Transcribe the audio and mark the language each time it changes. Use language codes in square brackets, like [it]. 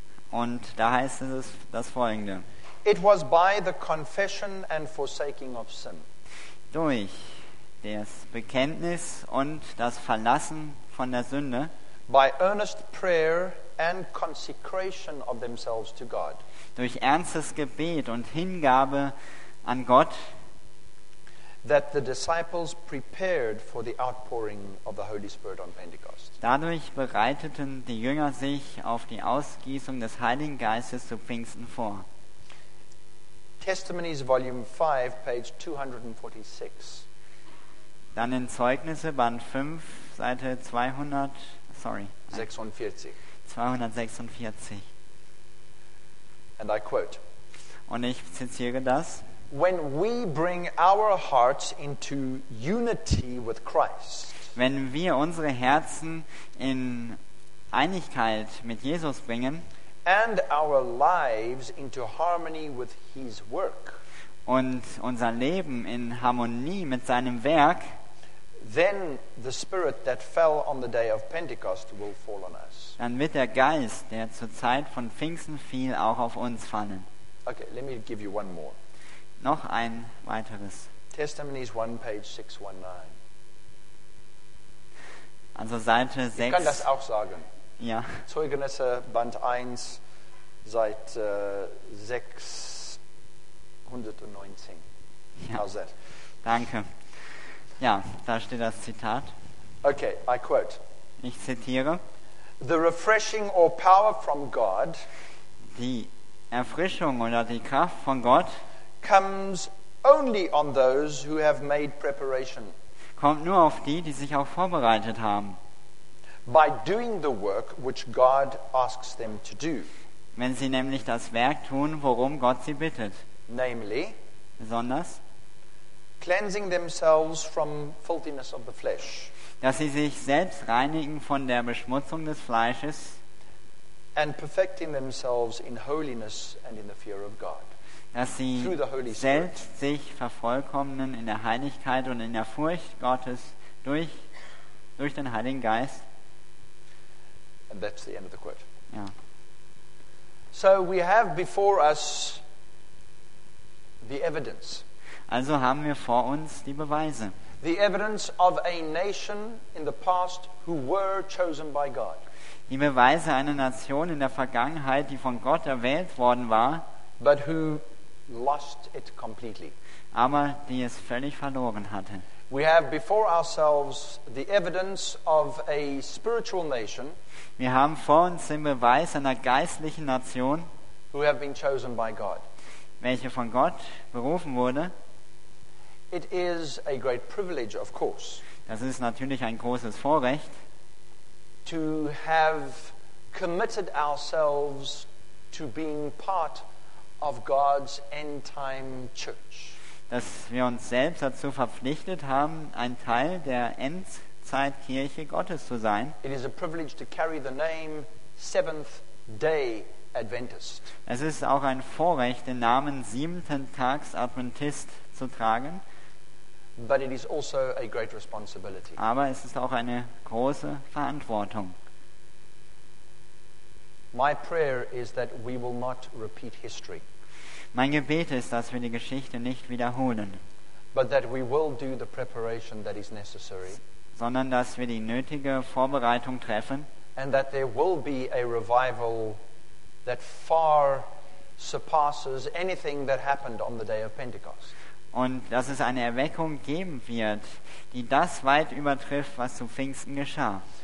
[de] Und da heißt es das Folgende. [en] It was by the confession and forsaking of sin. [de] Durch das Bekenntnis und das Verlassen von der Sünde. [en] By earnest prayer and consecration of themselves to God. [de] Durch ernstes Gebet und Hingabe an Gott. [en] That the disciples prepared for the outpouring of the Holy Spirit on Pentecost. [de] Dadurch bereiteten die Jünger sich auf die Ausgießung des Heiligen Geistes zu Pfingsten vor. [en] Testimonies, Volume 5, page 246. [de] Dann in Zeugnisse, Band 5, Seite 200, sorry. 46. 246. [en] And I quote. [de] Und ich zitiere das. [en] When we bring our hearts into unity with Christ. [de] Wenn wir unsere Herzen in Einigkeit mit Jesus bringen. [en] And our lives into harmony with his work. [de] Und unser Leben in Harmonie mit seinem Werk. [en] Then the spirit that fell on the day of Pentecost will fall on us. [de] Dann wird der Geist, der zur Zeit von Pfingsten fiel, auch auf uns fallen. [en] Okay, let me give you one more. [de] Noch ein weiteres. [en] Testimonies 1, page 619. [de] Also Seite 6. Ich kann das auch sagen. Ja. Zeugnisse, Band 1, Seite 619. Ja. [en] How's that? [de] Danke. Ja, da steht das Zitat. [en] Okay, I quote. [de] Ich zitiere. [en] The refreshing or power from God. [de] Die Erfrischung oder die Kraft von Gott. [en] Comes only on those who have made preparation. [de] Kommt nur auf die, die sich auch vorbereitet haben. [en] By doing the work which God asks them to do. [de] Wenn sie nämlich das Werk tun, worum Gott sie bittet. [en] Namely, [de] besonders, [en] cleansing themselves from filthiness of the flesh. [de] Dass sie sich selbst reinigen von der Beschmutzung des Fleisches. [en] And perfecting themselves in holiness and in the fear of God. [de] Dass sie selbst sich vervollkommnen in der Heiligkeit und in der Furcht Gottes durch den Heiligen Geist. [en] And that's the end of the quote. [de] Ja. [en] So we have before us the evidence. [de] Also haben wir vor uns die Beweise. [en] The evidence of a nation in the past who were chosen by God. [de] Die Beweise einer Nation in der Vergangenheit, die von Gott erwählt worden war. [en] But who lost it completely. [de] Aber die es völlig verloren hatte. [en] We have before ourselves the evidence of a spiritual nation. [de] Wir haben vor uns den Beweis einer geistlichen Nation, [en] who have been chosen by God. [de] Welche von Gott berufen wurde. [en] It is a great privilege, of course. [de] Das ist natürlich ein großes Vorrecht. [en] To have committed ourselves to being part of God's end-time church. [de] Dass wir uns selbst dazu verpflichtet haben, ein Teil der Endzeitkirche Gottes zu sein. [en] It is a privilege to carry the name Seventh-day Adventist. [de] Es ist auch ein Vorrecht, den Namen Siebenten Tags Adventist zu tragen. [en] But it is also a great responsibility. [de] Aber es ist auch eine große Verantwortung. [en] My prayer is that we will not repeat history. [de] Mein Gebet ist, dass wir die Geschichte nicht wiederholen. [en] But that we will do the preparation that is necessary. [de] Sondern dass wir die nötige Vorbereitung treffen. [en] And that there will be a revival that far surpasses anything that happened on the day of Pentecost. [de] Und dass es eine Erweckung geben wird, die das weit übertrifft, was zu Pfingsten geschah.